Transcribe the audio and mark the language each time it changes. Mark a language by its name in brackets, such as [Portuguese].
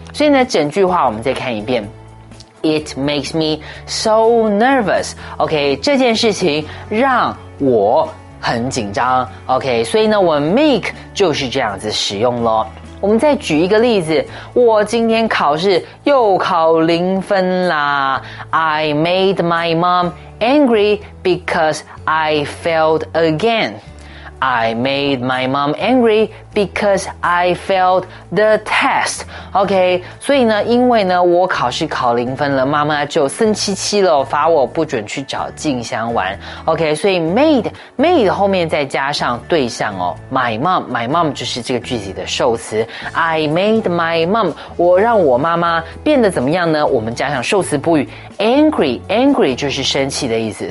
[Chinese] 所以呢整句话我们再看一遍， [English] It makes me so nervous. [Chinese] OK， 这件事情让我很紧张。 OK， 所以呢，我们 make 就是这样子使用咯。我们再举一个例子，我今天考试又考零分啦。 [English] I made my mom angry because I failed again. I made my mom angry because I failed the test. [Chinese] OK， 所以呢因为呢我考试考零分了，妈妈就生气气了，罚我不准去找静香玩。 OK， 所以 made 后面再加上对象哦， my mom 就是这个句子的受词。 [English] I made my mom， [Chinese] 我让我妈妈变得怎么样呢，我们加上受词补语 angry 就是生气的意思。